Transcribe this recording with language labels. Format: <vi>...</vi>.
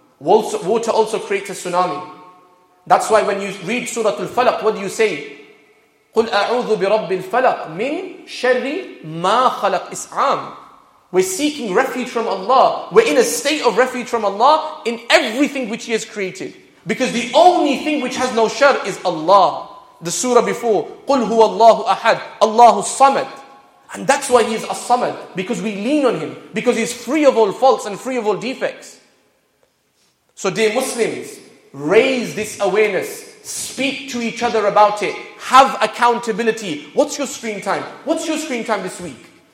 <en>Water also creates a tsunami. That's why when you read Surah Al-Falaq, what do you say?</en> <ar>قُلْ أَعُوذُ بِرَبِّ الْفَلَقِ مِنْ شَرِّ مَا خَلَقْ إِسْعَامٍ.</ar> <en>We're seeking refuge from Allah. We're in a state of refuge from Allah in everything which He has created. Because the only thing which has no shar is Allah.</en> <ar>The surah before, قُلْ هُوَ اللَّهُ أَحَدْ اللَّهُ الصَّمَدْ.</ar> <en>And that's why He is as-samad. Because we lean on Him. Because He is free of all faults and free of all defects. So dear Muslims, raise this awareness. Speak to each other about it. Have accountability. What's your screen time? What's your screen time this week?</en>